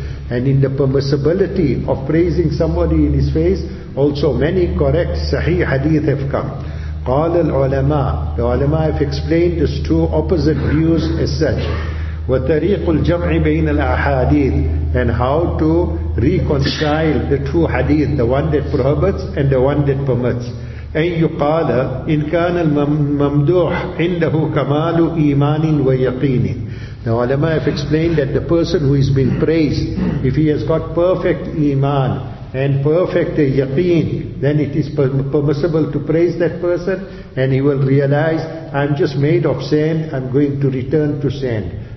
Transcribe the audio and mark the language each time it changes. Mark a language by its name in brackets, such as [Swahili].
[English] And in the permissibility of praising somebody in his face, also many correct sahih hadith have come. [Arabic] قال العلماء, [English] the ulama have explained these two opposite views as such. [Arabic] وطريق الجمع بين الأحاديث, [English] and how to reconcile the two hadith, the one that prohibits and the one that permits. [Arabic] أن يقال إن كان الممدوح عنده كمال إيمان ويقين. [English] The ulama have explained that the person who is being praised, if he has got perfect iman and perfect yaqeen, then it is permissible to praise that person, and he will realize, I'm just made of sand, I'm going to return to sand.